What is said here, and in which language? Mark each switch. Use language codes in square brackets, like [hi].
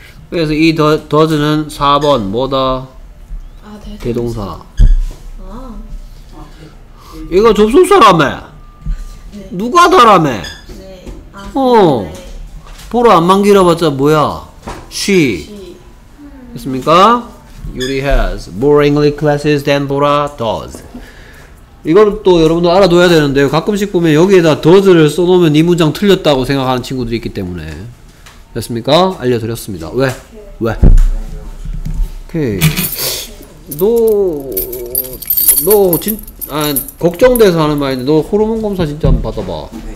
[ko] 그래서 이 더즈는 4번 뭐다? 아, 대동사. 이거 접속사라매. 누가 다라매. 어 보라 안만 길어봤자 뭐야 she 됐습니까? [en] Yuri has more English classes than Bora does. [ko] 이건 또 여러분도 알아둬야 되는데요. 가끔씩 보면 여기에다 does를 써놓으면 이 문장 틀렸다고 생각하는 친구들이 있기 때문에. 됐습니까? 알려드렸습니다. 왜? 왜? 오케이. 너 걱정돼서 하는 말인데 너 호르몬 검사 진짜 한번 받아봐.